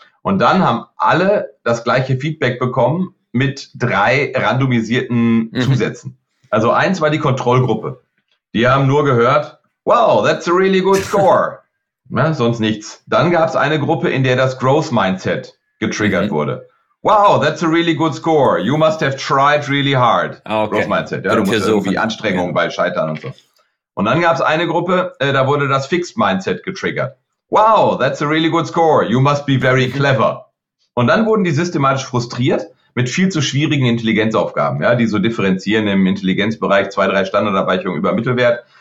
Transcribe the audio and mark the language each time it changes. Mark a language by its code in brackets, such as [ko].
[de] Und dann haben alle das gleiche Feedback bekommen mit drei randomisierten Zusätzen. Also eins war die Kontrollgruppe. Die haben nur gehört, [en] wow, that's a really good score. [de] Na, sonst nichts. Dann gab es eine Gruppe, in der das Growth-Mindset getriggert wurde. [en] Wow, that's a really good score. You must have tried really hard. [de] Okay. Growth Mindset. Ja, du musst irgendwie Anstrengungen bei Scheitern und so. Und dann gab es eine Gruppe, da wurde das Fixed Mindset getriggert. [en] Wow, that's a really good score. You must be very clever. [de] Und dann wurden die systematisch frustriert, mit viel zu schwierigen Intelligenzaufgaben, ja, die so differenzieren im Intelligenzbereich 2-3 Standardabweichungen über Mittelwert.